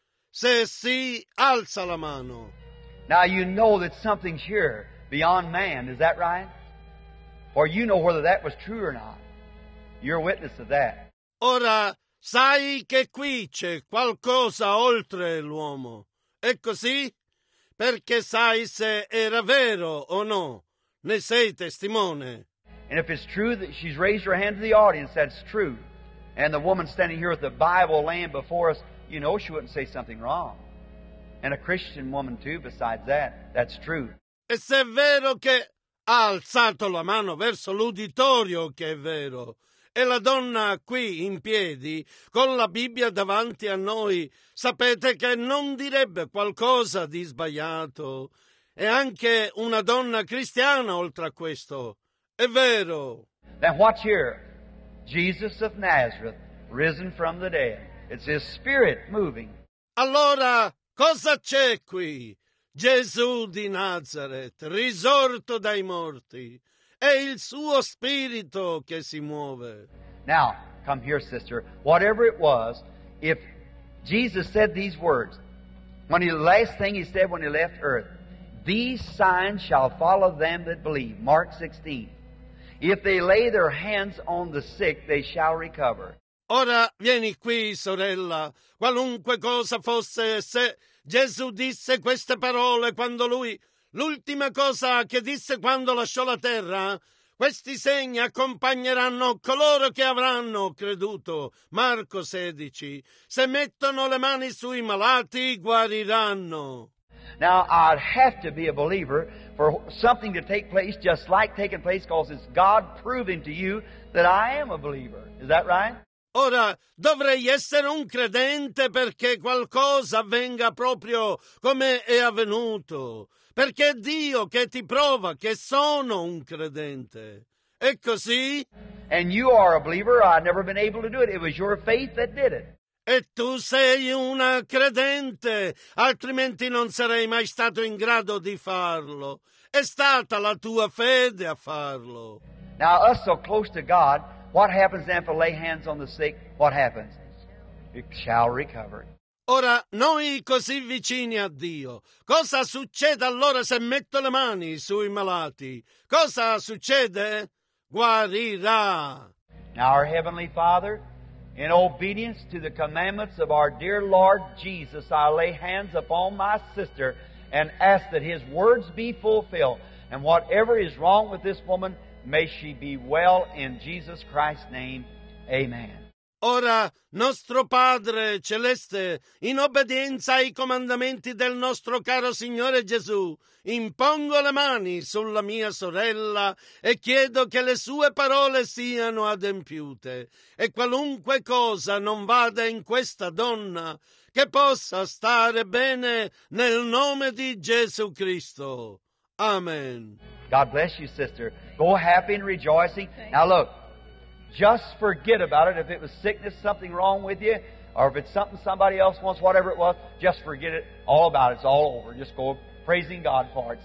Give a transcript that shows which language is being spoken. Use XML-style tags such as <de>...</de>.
<it>Se sì, alza la mano.</it> <en>Now you know that something's here beyond man, is that right? Or you know whether that was true or not. You're a witness of that.</en> <it>Ora sai che qui c'è qualcosa oltre l'uomo. È così? Perché sai se era vero o no. Ne sei testimone.</it> <en>And if it's true that she's raised her hand to the audience, that's true. And the woman standing here with the Bible laying before us, you know she wouldn't say something wrong. And a Christian woman too, besides that, that's true.</en> <it>E se è vero che ha alzato la mano verso l'uditorio, che è vero. E la donna qui in piedi, con la Bibbia davanti a noi, sapete che non direbbe qualcosa di sbagliato. E anche una donna cristiana oltre a questo. È vero.</it> <en>Now watch here. Jesus of Nazareth, risen from the dead. It's his spirit moving.</en> <it>Allora, cosa c'è qui? Gesù di Nazareth, risorto dai morti. È il suo spirito che si muove.</it> <en>Now, come here, sister. Whatever it was, if Jesus said these words, when the last thing he said when he left earth, these signs shall follow them that believe. Mark 16. If they lay their hands on the sick, they shall recover.</en> <it>Ora vieni qui, sorella. Qualunque cosa fosse, se Gesù disse queste parole quando lui, l'ultima cosa che disse quando lasciò la terra, questi segni accompagneranno coloro che avranno creduto. Marco 16. Se mettono le mani sui malati, guariranno.</it> <en>Now, I'd have to be a believer for something to take place just like taking place because it's God proving to you that I am a believer. Is that right?</en> <it>Ora, dovrei essere un credente perché qualcosa avvenga proprio come è avvenuto. Perché è Dio che ti prova che sono un credente. È così?</it> <en>And you are a believer. I've never been able to do it. It was your faith that did it.</en> <it>E tu sei una credente, altrimenti non sarei mai stato in grado di farlo. È stata la tua fede a farlo.</it> <en>Now, us so close to God, what happens then if I lay hands on the sick? What happens? It shall recover.</en> <it>Ora, noi così vicini a Dio, cosa succede allora se metto le mani sui malati? Cosa succede? Guarirà.</it> <en>Now, our Heavenly Father, In obedience to the commandments of our dear Lord Jesus, I lay hands upon my sister and ask that His words be fulfilled. And whatever is wrong with this woman, may she be well in Jesus Christ's name. Amen.</en> <it>Ora, nostro Padre Celeste, in obbedienza ai comandamenti del nostro caro Signore Gesù, impongo le mani sulla mia sorella e chiedo che le sue parole siano adempiute. E qualunque cosa non vada in questa donna, che possa stare bene nel nome di Gesù Cristo. Amen.</it> <en>God bless you, sister. Go happy and rejoicing. Now look, just forget about it. If it was sickness, something wrong with you, or if it's something somebody else wants, whatever it was, just forget it. All about it. It's all over. Just go praising God for it.</en>